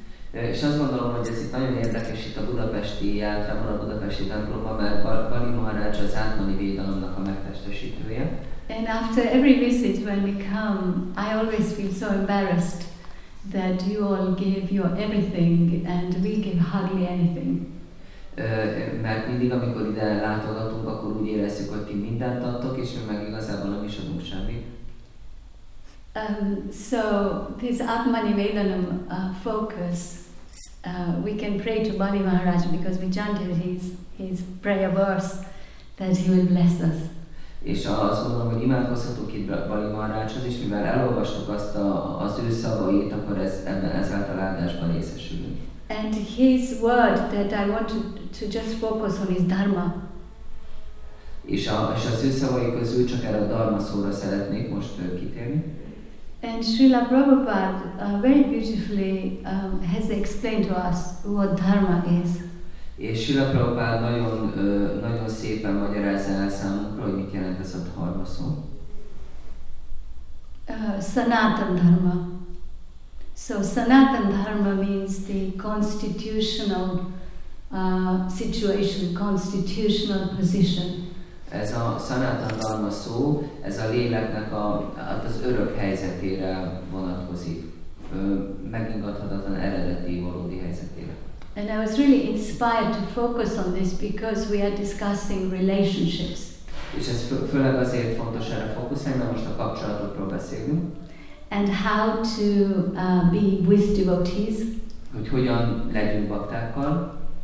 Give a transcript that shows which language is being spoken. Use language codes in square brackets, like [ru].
[hu] És azt gondolom, hogy ez itt nagyon érdekes itt a budapesti általában, a budapesti templomban, mert Bali Maharaj az Atmanivedanának a megtestesítője. [en] And after every visit when we come, I always feel so embarrassed that you all give your everything and we give hardly anything. [hu] Mert mindig, amikor ide látogatunk, akkor úgy érezzük, hogy ti mindent adtok, és mi meg igazából nem is adunk semmit. [en] So this Atmanivedana focus, we can pray to Bali Maharaj because we chanted his prayer verse that he will bless us. [hu] És azt gondolom, hogy imádkozhatunk itt Bali Maharajhoz, és mivel elolvastuk azt az ő szavait, akkor ezáltal áldásban részesülünk. [en] And his word that I want to just focus on is dharma. [hu] És az ő szavai közül csak erre a dharma szóra szeretnék most kitérni. [en] And Srila Prabhupada very beautifully has explained to us what dharma is. [hu] És Srila Prabhupada nagyon nagyon szépen magyarázza el számunkra, hogy mit jelent ez a dharma szó. [en] Sanatan dharma. So Sanatan dharma means the constitutional situation, constitutional position. [hu] Ez a Sanatan dharma szó, ez a léleknek az örök helyzetére vonatkozik, megingathatatlan eredeti valódi helyzetére. [en] And I was really inspired to focus on this because we are discussing relationships. [hu] És ez főleg azért fontos erre fókuszálni, mert most a kapcsolatokról beszélünk. [en] And how to be with devotees. [hu] Hogy hogyan legyünk baktákkal.